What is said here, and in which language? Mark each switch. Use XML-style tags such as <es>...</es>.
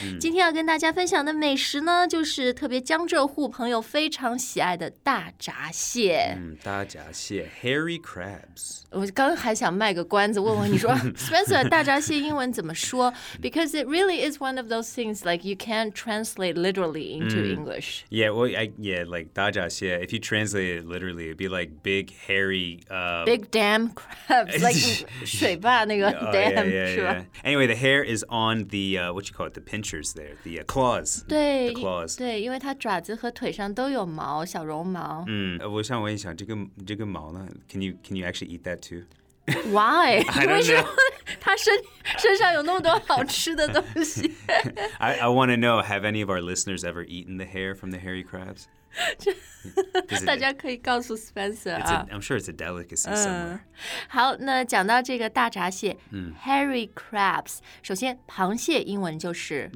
<zh>今天要跟大家分享的美食呢，就是特别江浙沪朋友非常喜爱的大闸蟹。</zh> <en>大闸蟹 ,hairy crabs.</en> <zh>我刚还想卖个关子问问你说</zh> <en>Spencer,</en> <zh>大闸蟹英文怎么说</zh> <en>?Because it really is one of those things like you can't translate literally into English. Yeah, like 大闸蟹 if you translate it literally, it'd be like,big hairy big damn crabs like</en> <zh>水坝那个</zh> <en>damn</en> <zh>是吧</zh> <en>anyway the hair is on the what you call it the pinchers there the claws</en> <zh>对</zh> <en>the claws</en> <zh>对因为它爪子和腿上都有毛小绒毛我想问一下这个毛呢</zh> <en>can you actually eat that too</en> <zh>why 为什么它身上有那么多好吃的东西</zh> <en>I want to know have any of our listeners ever eaten the hair from the hairy crabs</en> <zh>大家可以告诉 Spencer 啊</zh> <en>I'm sure it's a delicacy somewhere</en> <zh>好那讲到这个大闸蟹 hairy crabs 首先螃蟹英文就是</zh>